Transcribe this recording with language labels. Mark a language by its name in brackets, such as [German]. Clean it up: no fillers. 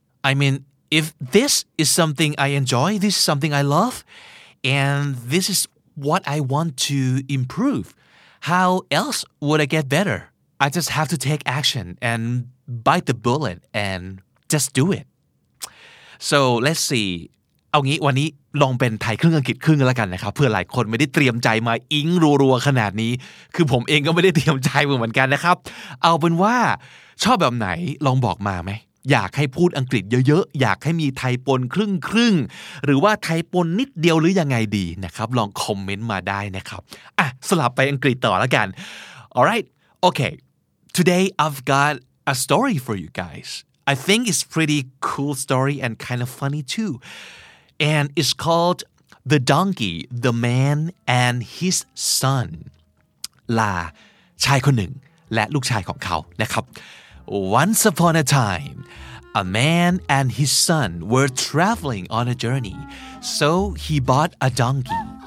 [English] I mean,If this is something I enjoy, this is something I love, and this is what I want to improve, how else would I get better? I just have to take action and bite the bullet and just do it. So let's see. [Thai] เอางี้วันนี้ลองเป็นไทยครึ่งอังกฤษครึ่งแล้วกันนะครับเพื่อหลายคนไม่ได้เตรียมใจมาอิงรัวๆขนาดนี้คือผมเองก็ไม่ได้เตรียมใจเหมือนกันนะครับเอาเป็นว่าชอบแบบไหนลองบอกมาไหมอยากให้พูดอังกฤษเยอะๆอยากให้มีไทยปนครึ่งๆหรือว่าไทยปนนิดเดียวหรือยังไงดีนะครับลองคอมเมนต์มาได้นะครับอ่ะสลับไปอังกฤษต่อแล้วกัน [English] Alright, okay. Today I've got a story for you guys. I think it's pretty cool story and kind of funny too. And it's called The Donkey, The Man and His Son. [Thai] ลาชายคนหนึ่งและลูกชายของเขานะครับ [English] Once upon a time, a man and his son were traveling on a journey, so he bought a donkey.